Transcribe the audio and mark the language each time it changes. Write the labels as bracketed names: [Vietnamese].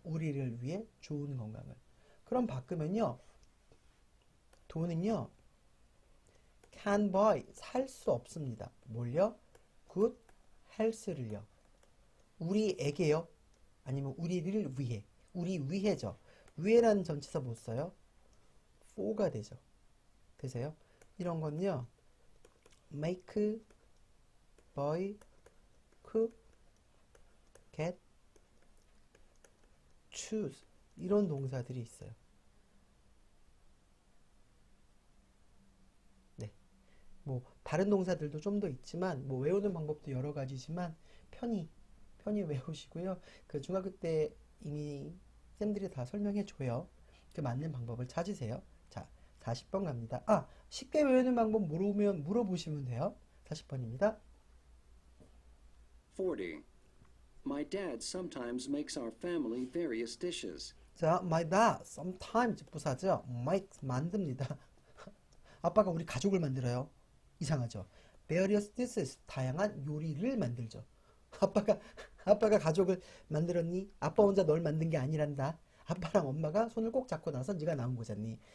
[Korean] 우리를 위해 좋은 건강을. 그럼 바꾸면요. 돈은요, [English] can buy, [Korean] 살수 없습니다. 뭘요? [English] good health를요. [Korean] 우리에게요. 아니면 우리를 위해, 우리 위해죠. 위해라는 전치사 못 써요. for가 되죠. 되세요? 이런 건요, [English] make, buy, cook, get, choose [Korean] 이런 동사들이 있어요. 뭐 다른 동사들도 좀더 있지만 뭐 외우는 방법도 여러 가지지만 편히 외우시고요. 그 중학교 때 이미 쌤들이 다 설명해 줘요. 그 맞는 방법을 찾으세요. 자, 40번 갑니다. 아, 쉽게 외우는 방법 모르면 물어보시면 돼요. 40번입니다. 40. [English] My dad sometimes makes our family various dishes. 자, my dad sometimes [Korean] 부사죠. makes 만듭니다. 아빠가 우리 가족을 만들어요. 이상하죠? [English] various dishes [Korean] 다양한 요리를 만들죠. 아빠가 가족을 만들었니? 아빠 혼자 널 만든 게 아니란다. 아빠랑 엄마가 손을 꼭 잡고 나서 네가 나온 거잖니.